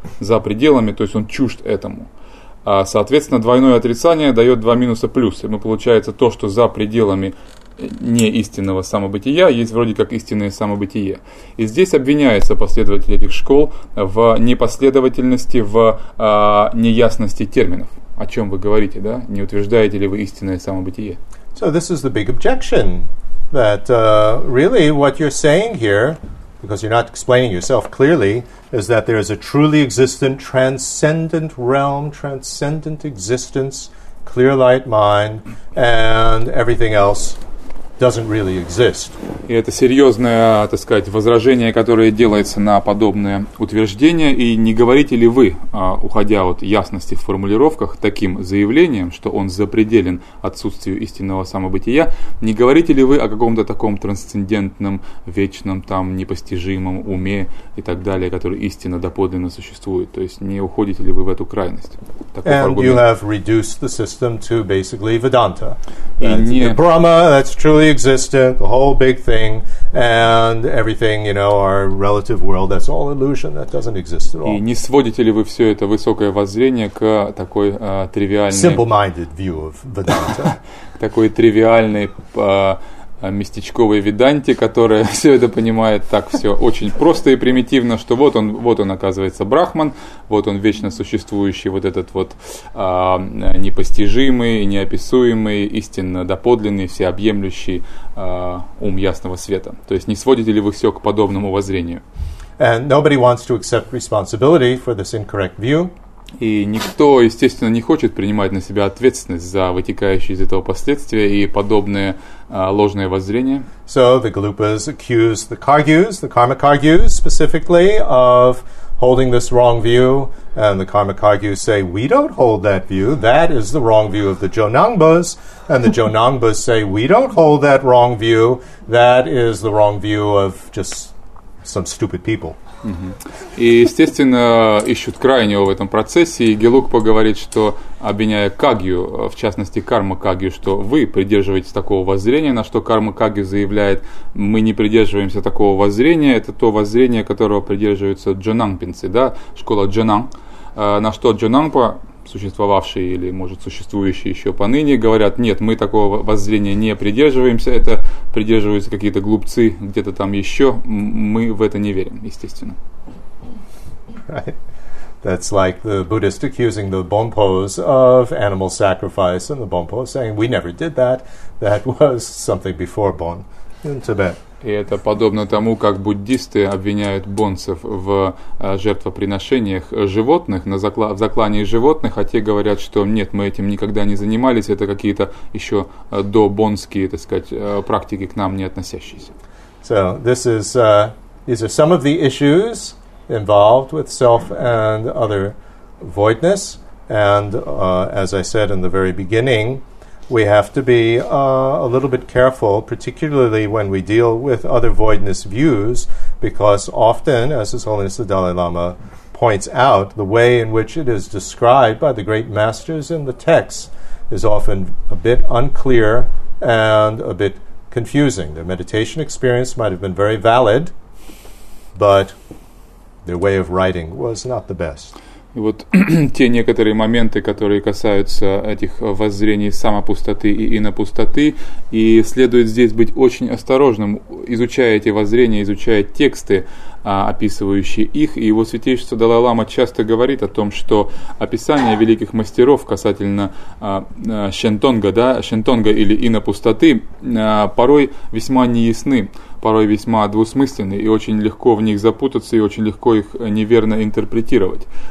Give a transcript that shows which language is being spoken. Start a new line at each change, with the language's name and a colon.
Russian: «За пределами», то есть он чужд этому. Соответственно, двойное отрицание дает два минуса плюс. И мы, получается, то, что за пределами не истинного самобытия есть вроде как истинное самобытие. И здесь обвиняются последователи этих школ в непоследовательности, в неясности терминов. О чем вы говорите, да? Не утверждаете ли вы истинное самобытие?
English: So this is the big objection, that really what you're saying here, because you're not explaining yourself clearly, is that there is a truly existent transcendent realm, transcendent existence, clear light mind, and everything else doesn't really exist.
Russian: И это серьезное, так сказать, возражение, которое делается на подобное утверждение. И не говорите ли вы, уходя от ясности в формулировках, таким заявлением, что он запределен отсутствию истинного самобытия, не говорите ли вы о каком-то таком трансцендентном, вечном, там, непостижимом уме и так далее, который истинно доподлинно существует? То есть не уходите ли вы в эту крайность? Такой аргумент.
English: And you have reduced the system to basically Vedanta. Brahma, that's truly existent, the whole big thing, and everything, you know, our relative world, that's all illusion, that doesn't exist at all.
Russian: И не сводите ли вы все это высокое воззрение к такой тривиальной...
English: Simple-minded view of Vedanta.
Russian: Такой тривиальной местечковой Веданте, которая все это понимает так все очень просто и примитивно, что вот он оказывается Брахман, вот он вечно существующий, вот этот вот непостижимый, неописуемый, истинно доподлинный, всеобъемлющий ум ясного света. То есть не сводите ли вы все к подобному воззрению?
English: And nobody wants to accept responsibility for this incorrect view.
Russian: И никто, естественно, не хочет принимать на себя ответственность за вытекающие из этого последствия и подобные ложные воззрения.
English: So the Galupas accuse the Kargyus, the Karmakargyus specifically, of holding this wrong view, and the Karmakargyus say, we don't hold that view, that is the wrong view of the Jonangbas, and the Jonangbas say, we don't hold that wrong view, that is the wrong view of just some stupid people.
Russian: И, естественно, ищут крайнего в этом процессе, и Гелугпа говорит, что, обвиняя Кагью, в частности, Карма Кагью, что вы придерживаетесь такого воззрения, на что Карма Кагью заявляет, мы не придерживаемся такого воззрения, это то воззрение, которого придерживаются джонангпинцы, да, школа джонанг, на что джонангпа, существовавшие или, может, существующие еще поныне, говорят, нет, мы такого воззрения не придерживаемся, это придерживаются какие-то глупцы где-то там еще, мы в это не верим, естественно.
English: Right. That's like the Buddhist accusing the Bonpos of animal sacrifice, and the Bonpos saying, we never did that, that was something before Bon in Tibet.
Russian: И это подобно тому, как буддисты обвиняют бонцев в жертвоприношениях животных, в заклании животных, а те говорят, что нет, мы этим никогда не занимались, это какие-то еще добонские, так сказать, практики к нам не относящиеся.
English: So, this is, these are some of the issues involved with self and other voidness, and as I said in the very beginning, we have to be a little bit careful, particularly when we deal with other voidness views, because often, as His Holiness the Dalai Lama points out, the way in which it is described by the great masters in the texts is often a bit unclear and a bit confusing. Their meditation experience might have been very valid, but their way of writing was not the best.
Russian: И вот те некоторые моменты, которые касаются этих воззрений самопустоты и инопустоты, и следует здесь быть очень осторожным, изучая эти воззрения, изучая тексты, описывающие их. И его святейшество Далай-лама часто говорит о том, что описание великих мастеров касательно шентонга, да, шентонга или инопустоты порой весьма неясны, порой весьма двусмысленны, и очень легко в них запутаться, и очень легко их неверно интерпретировать.